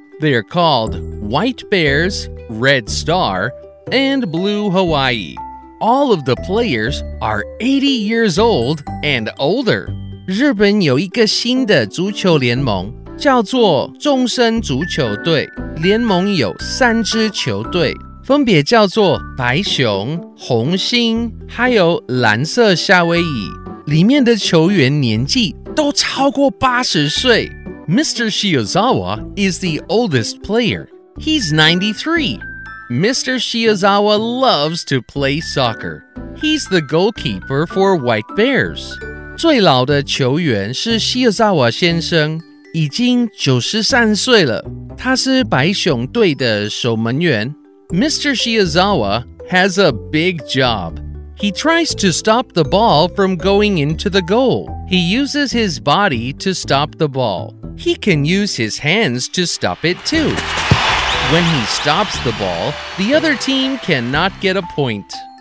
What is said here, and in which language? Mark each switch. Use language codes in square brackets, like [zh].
[en] They are called White Bears, Red Star, and Blue Hawaii. All of the players are 80 years old and older. [zh] 日本有一个新的足球联盟叫做终身足球队，联盟有三支球队，分别叫做白熊、红星，还有蓝色夏威夷。里面的球员年纪都超过80岁。 [en] Mr. Shiozawa is the oldest player. He's 93. Mr. Shiozawa loves to play soccer. He's the goalkeeper for White Bears. [zh] 最老的球员是 Shiozawa 先生。已经93岁了，他是白熊队的守门员。 [en] Mr. Shiozawa has a big job. He tries to stop the ball from going into the goal. He uses his body to stop the ball. He can use his hands to stop it too. When he stops the ball, the other team cannot get a point.